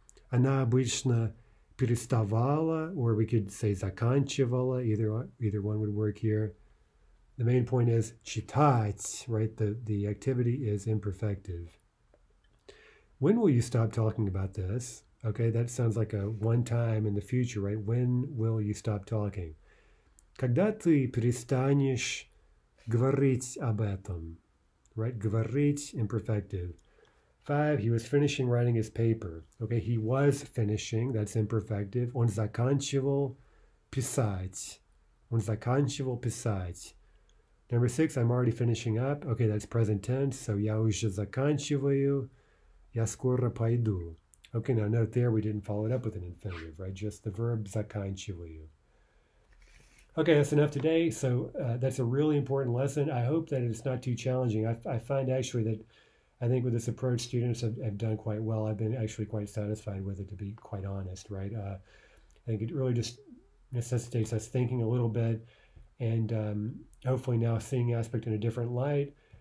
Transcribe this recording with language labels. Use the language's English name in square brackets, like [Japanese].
[Russian] Она обычно переставала, [English] or we could say заканчивала, either one would work here. The main point is читать, right? The activity is imperfective. When will you stop talking about this? Okay, that sounds like a one time in the future, right? When will you stop talking? [Russian] Когда ты перестанешь говорить об этом, [English] right? Говорить, imperfective. Five, he was finishing writing his paper. Okay, he was finishing, that's imperfective. [Russian] Он заканчивал писать. Он заканчивал писать. [English] Number six, I'm already finishing up. Okay, that's present tense. So [Russian] я уже заканчиваю, я скоро пойду. [English] Okay, now note there we didn't follow it up with an infinitive, right? Just the verb заканчиваю. Okay, that's enough today. So that's a really important lesson. I hope that it's not too challenging. I find actually that I think with this approach, students have done quite well. I've been actually quite satisfied with it, to be quite honest, right? I think it really just necessitates us thinking a little bit and hopefully now seeing aspect in a different light.